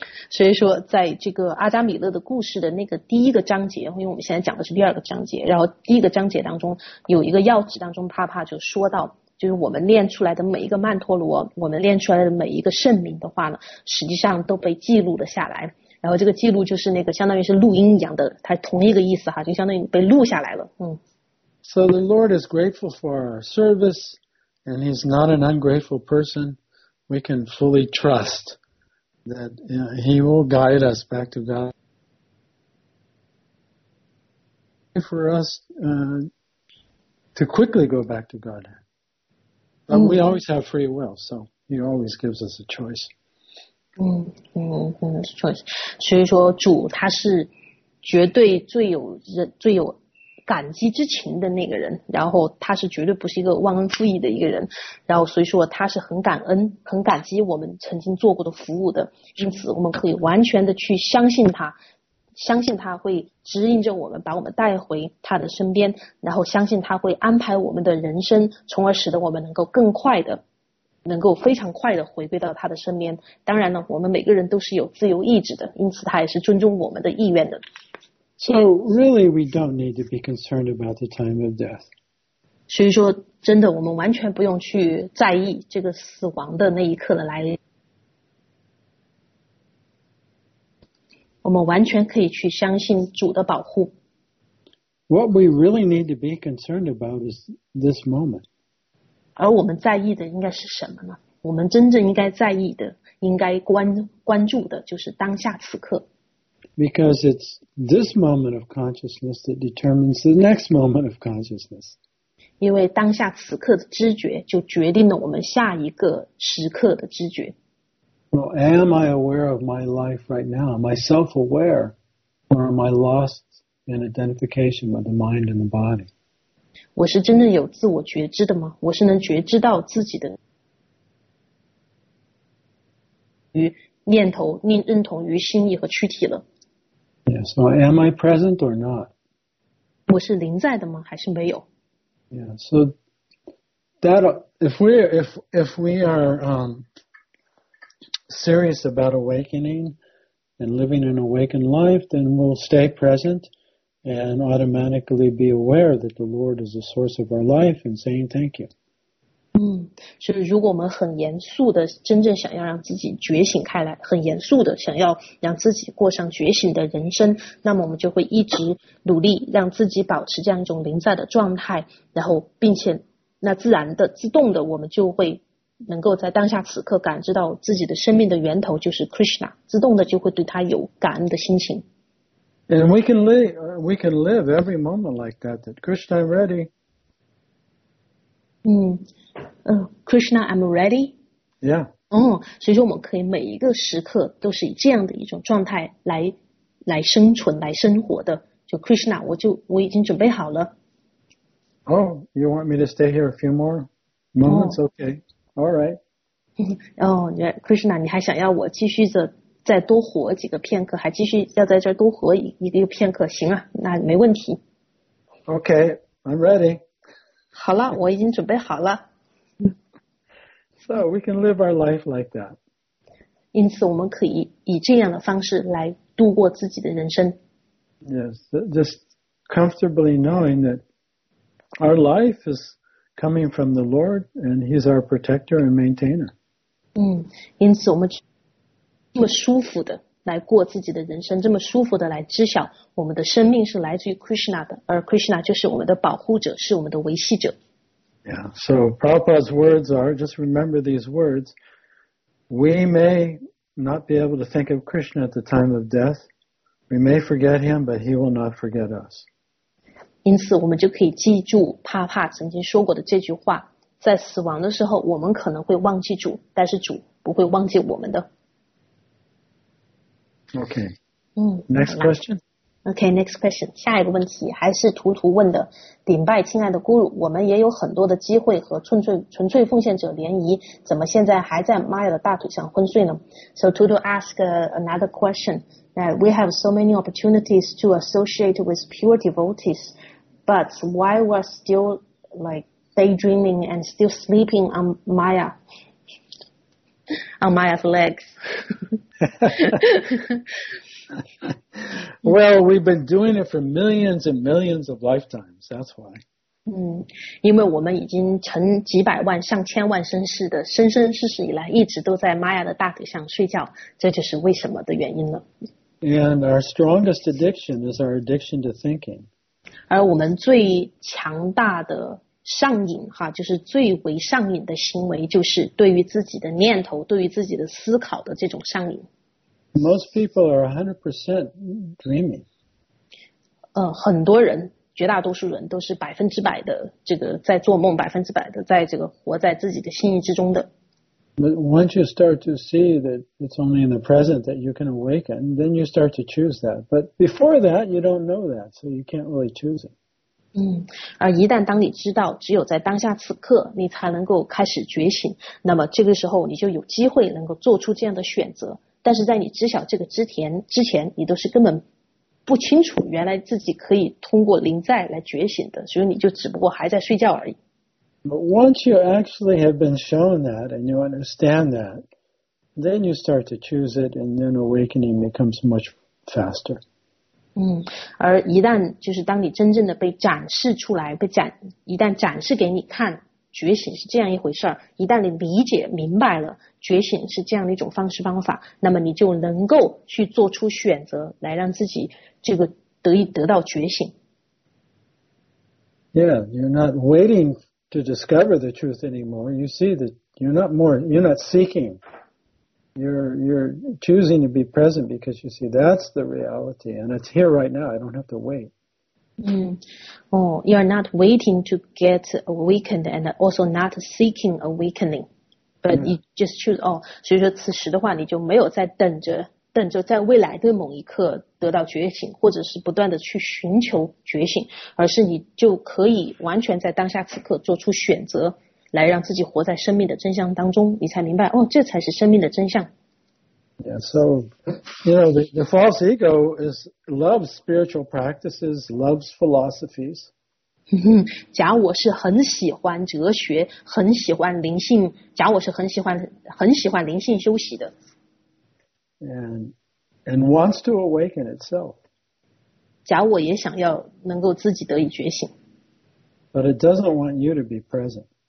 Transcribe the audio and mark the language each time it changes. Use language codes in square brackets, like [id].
[zh] 所以说在这个阿扎米勒的故事的那个第一个章节，因为我们现在讲的是第二个章节，然后第一个章节当中有一个要旨当中，帕帕就说到，就是我们练出来的每一个曼陀罗，我们练出来的每一个圣名的话呢，实际上都被记录了下来，然后这个记录就是那个相当于是录音一样的，它同一个意思哈，就相当于被录下来了。 [en] So the Lord is grateful for our service, and he's not an ungrateful person. We can fully trust that he will guide us back to God. For us to quickly go back to God. But we always have free will, so he always gives us a choice. Choice. [zh] 所以说主他是绝对最有感激之情的那个人，然后他是绝对不是一个忘恩负义的一个人，然后所以说他是很感恩很感激我们曾经做过的服务的，因此我们可以完全的去相信他，相信他会指引着我们，把我们带回他的身边，然后相信他会安排我们的人生，从而使得我们能够更快的，能够非常快的回归到他的身边。当然呢，我们每个人都是有自由意志的，因此他也是尊重我们的意愿的。 [en] So really, we don't need to be concerned about the time of death. [zh] 所以说，真的，我们完全不用去在意这个死亡的那一刻的来临。我们完全可以去相信主的保护。 [en] What we really need to be concerned about is this moment. [zh] 而我们在意的应该是什么呢？我们真正应该在意的，应该关注的就是当下此刻。 [en] Because it's this moment of consciousness that determines the next moment of consciousness. [zh] 因为当下此刻的知觉就决定了我们下一个时刻的知觉。 [en] Well, am I aware of my life right now? Am I self-aware? Or am I lost in identification with the mind and the body? [zh] 我是真正有自我觉知的吗？我是能觉知到自己的与念头认同于心意和躯体了。 [en] Yeah, so am I present or not? [zh] 我是临在的吗？还是没有？ [en] Yeah, so that, if we are serious about awakening and living an awakened life, then we'll stay present and automatically be aware that the Lord is the source of our life and saying thank you. [zh] 所以如果我们很严肃的真正想要让自己觉醒开来，很严肃的想要让自己过上觉醒的人生，那么我们就会一直努力让自己保持这样一种临在的状态，然后并且那自然的自动的我们就会能够在当下此刻感知到自己的生命的源头就是 Krishna， 自动的就会对他有感恩的心情。 [en] And we can live every moment like that. That Krishna, I'm ready. Krishna, I'm ready. Yeah. [zh] 所以说我们可以每一个时刻都是以这样的一种状态来生存、来生活的。就 Krishna， 我已经准备好了。 [en] Oh, you want me to stay here a few more moments?、Okay. All right. [zh] Krishna, 你还想要我继续着再多活几个片刻，还继续要在这儿多活一个片刻？行啊，那没问题。 [en] Okay, I'm ready. [zh] 好了，我已经准备好了。 [en] So we can live our life like that. [zh] 因此，我们可以以这样的方式来度过自己的人生。 [en] Yes, just comfortably knowing that our life is. Coming from the Lord, and He's our protector and maintainer. [zh] 因此我们这么舒服的来过自己的人生，这么舒服的来知晓我们的生命是来自于 Krishna 的，而 Krishna 就是我们的保护者，是我们的维系者。 [en] Yeah. So Prabhupada's words are just remember these words. We may not be able to think of Krishna at the time of death. We may forget Him, but He will not forget us. [zh] 因此我们就可以记住帕帕曾经说过的这句话，在死亡的时候我们可能会忘记主，但是主不会忘记我们的。 [en] OK, next question. OK, next question. [zh] 下一个问题还是图图问的，顶拜亲爱的 Guru, 我们也有很多的机会和纯粹奉献者联谊，怎么现在还在 Maya 的大腿上昏睡呢？ [en] So Tutu ask another question. That we have so many opportunities to associate with pure devotees, but why we're still like daydreaming and still sleeping on Maya, on Maya's legs. Well, we've been doing it for millions and millions of lifetimes, that's why. [zh] 因为我们已经成几百万上千万生世的生生世世以来一直都在 Maya 的大腿上睡觉，这就是为什么的原因了。 [en] And our strongest addiction is our addiction to thinking. [zh] 而我们最强大的上瘾哈，就是最为上瘾的行为，就是对于自己的念头、对于自己的思考的这种上瘾。 [en] Most people are 100% dreaming. [zh] 很多人，绝大多数人都是100%的这个在做梦，100%的在这个活在自己的心意之中的。 [en] But once you start to see that it's only in the present that you can awaken, then you start to choose that. But before that, you don't know that, so you can't really choose it. [zh] 而一旦当你知道，只有在当下此刻，你才能够开始觉醒，那么这个时候你就有机会能够做出这样的选择。但是在你知晓这个之前，你都是根本不清楚原来自己可以通过临在来觉醒的，所以你就只不过还在睡觉而已。 [en] But once you actually have been shown that and you understand that, then you start to choose it and then awakening becomes much faster. [zh] 嗯，而一旦就是当你真正的被展示出来，一旦展示给你看，觉醒是这样一回事，一旦你理解明白了觉醒是这样的一种方式方法，那么你就能够去做出选择来让自己这个得到觉醒。 [en] Yeah, you're not waiting to discover the truth anymore. You see that you're not seeking. You're choosing to be present because you see that's the reality and it's here right now. I don't have to wait. Mm. Oh, you're not waiting to get awakened and also not seeking awakening. But you just choose, [zh] 哦，所以说此时的话你就没有在等着在未来的某一刻得到觉醒，或者是不断的去寻求觉醒，而是你就可以完全在当下此刻做出选择，来让自己活在生命的真相当中，你才明白，哦，这才是生命的真相。 [en] Yeah, so, you know, the false ego is, loves spiritual practices, loves philosophies. [zh] 假我是很喜欢哲学，很喜欢灵性，假我是很喜欢灵性休息的。 [en] And wants to awaken itself. [zh] 假我也想要能够自己得以觉醒。 [en] But it doesn't want you to be present.